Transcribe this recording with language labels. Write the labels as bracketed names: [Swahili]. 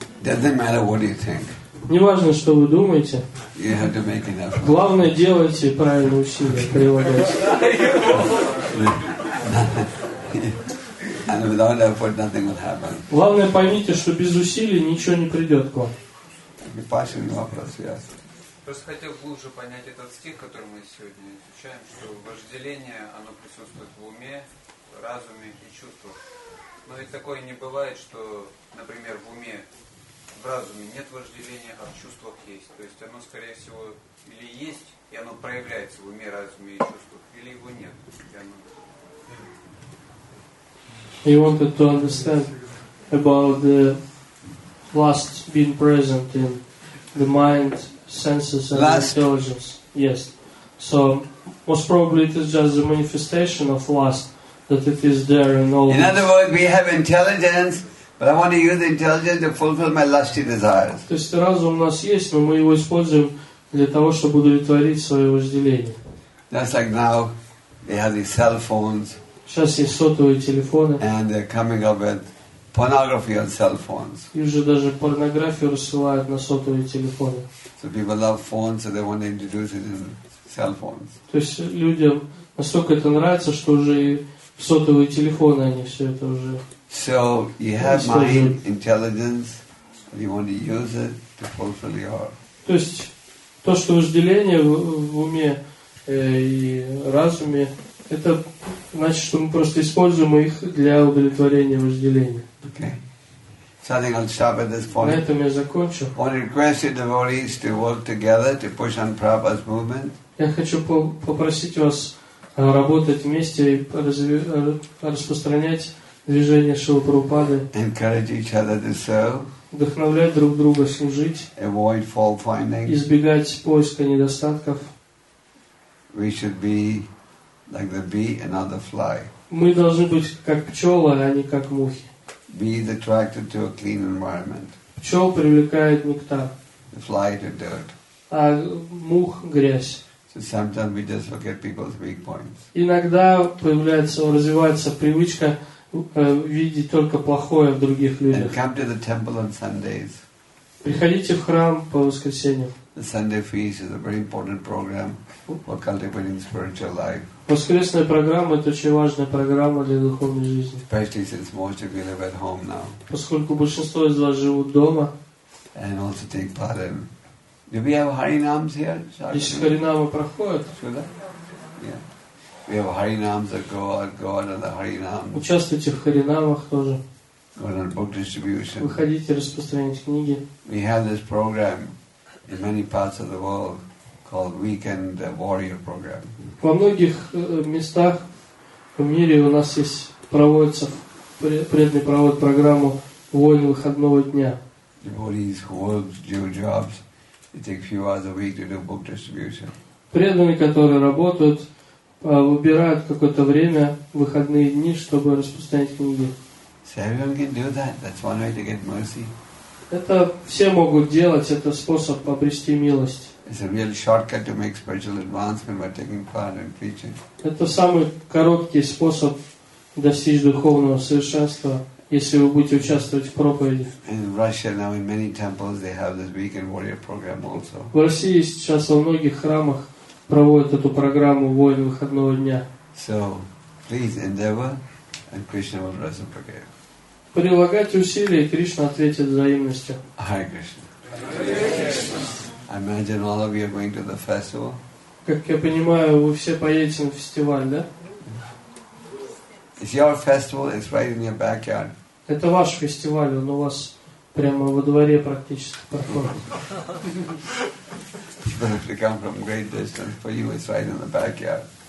[English] Doesn't matter what you think. [Russian] Не важно, что вы думаете. [English] You have to make an effort. [Russian] Главное, делайте правильные усилия, прилагайте. [English] And without effort, nothing will happen. [Russian] Главное, поймите, что без усилий ничего не придет к вам. Непасильный вопрос, [English] yes. [Russian] Просто хотел глубже понять этот стих, который мы сегодня изучаем, что вожделение, оно присутствует в уме, разуме и чувствах. Но ведь такое не бывает, что, например, в уме в разуме нет вожделения, а в чувствах есть. То есть оно, скорее всего, или есть, и оно проявляется в уме, разуме и чувствах, или его нет. [English] He wanted to understand about the lust being present in the mind, senses and intelligence. Yes. So most probably it is just a manifestation of lust that it is there in all. In other words, we have intelligence, but I want to use intelligence to fulfill my lusty desires. [Russian] То есть разум у нас есть, но мы его используем для того, чтобы удовлетворить свои вожделения. [English] That's like now they have these cell phones. [Russian] Сейчас есть сотовые телефоны. [English] And they're coming up with pornography on cell phones. [Russian] И уже даже порнографию рассылают на сотовые телефоны. [English] So people love phones, so they want to introduce it in cell phones. [Russian] То есть людям настолько это нравится, что уже и сотовые телефоны они все это уже. [English] So you have mind intelligence, and you want to use it to fulfill your. [Russian] То есть то, что вожделение в уме и разуме. Это значит, что мы просто используем их для удовлетворения вожделения. [English] Okay. So I think I'll stop at this point. [Russian] На этом я закончу. [English] I want to request the devotees to work together to push on Prabhupada's movement. [Russian] Я хочу попросить вас работать вместе и распространять движение Шрилы Прабхупады. [English] Encourage each other to serve. [Russian] Вдохновлять друг друга служить. [English] Avoid fault finding. [Russian] Избегать поиска недостатков. [English] We should be like the bee and not the fly. [Russian] Мы должны быть как пчелы, а не как мухи. [English] Bees attracted to a clean environment. [Russian] Пчел привлекает нектар. [English] The fly to dirt. [Russian] А мух грязь. [English] So sometimes we just look at people's weak points. [Russian] Иногда появляется, развивается привычка видеть только плохое в других людях. [English] And come to the temple on Sundays. [Russian] Приходите в храм по воскресеньям. [English] The Sunday feast is a very important program for cultivating spiritual life. [Russian] Воскресная программа — это очень важная программа для духовной жизни. [English] Especially since most of you live at home now. [Russian] Поскольку большинство из вас живут дома. [English] And also take part in. Do we have Harinams here? [Russian] Если Харинамы проходят. Сюда? [English] Yeah. We have Harinams that go out, go out on the Harinams. [Russian] Участвуйте в Харинамах тоже. [English] Go out on book distribution. [Russian] Выходите распространять книги. [English] We have this program in many parts of the world called Weekend Warrior Program. [Russian] Во многих местах в мире у нас есть проводится преданный проводит программу воин выходного дня. [English] Devotees who work dual jobs, they take a few hours a week to do book distribution. [Russian] Преданные, которые работают, выбирают какое-то время выходные дни, чтобы распространять книги. [English] So everyone can do that. That's one way to get mercy. [Russian] Это все могут делать. Это способ обрести милость. [English] It's a real shortcut to make spiritual advancement by taking part in preaching. [Russian] Это самый короткий способ достичь духовного совершенства, если вы будете участвовать в проповеди. [English] In Russia now, in many temples, they have this weekend warrior program also. [Russian] В России сейчас во многих храмах проводят эту программу воин выходного дня. [English] So, please endeavor, and Krishna will reciprocate. [Russian] Прилагайте усилия, и Кришна ответит взаимностью. [English] Hare Krishna. I imagine all of you are going to the festival. [Russian] Как я понимаю, вы все поедете на фестиваль, да? [English] It's your festival. It's right in your backyard. [Russian] Это ваш фестиваль, он у вас прямо во дворе практически проходит. [English] People have to come from great distance. For you, it's right in the backyard.